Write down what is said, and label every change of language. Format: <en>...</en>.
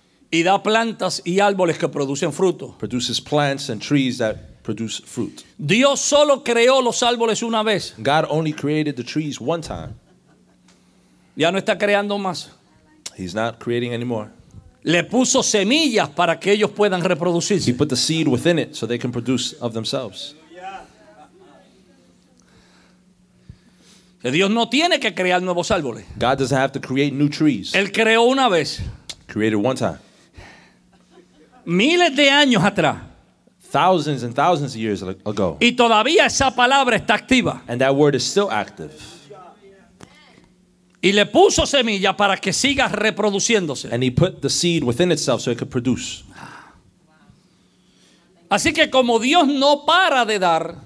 <es>Y da plantas y árboles que producen fruto.</es> <en>Produces plants and trees that produce fruit.</en> <es>Dios solo creó los árboles una vez.</es> <en>God only created the trees one time.</en> <es>Ya no está creando más.</es> <en>He's not creating anymore.</en> <es>Le puso semillas para que ellos puedan reproducirse.</es> <en>He put the seed within it so they can produce of themselves.</en> <es>Dios no tiene que crear nuevos árboles.</es> <en>God doesn't have to create new trees.</en> <es>Él creó una vez.</es> <en>Created one time.</en> <es>Miles de años atrás.</es> <en>Thousands and thousands of years ago.</en> <es>Y todavía esa palabra está activa.</es> <en>And that word is still active.</en> <es>Y le puso semilla para que siga reproduciéndose.</es> <en>And he put the seed within itself so it could produce.</en> <es>Así que como Dios no para de dar.</es>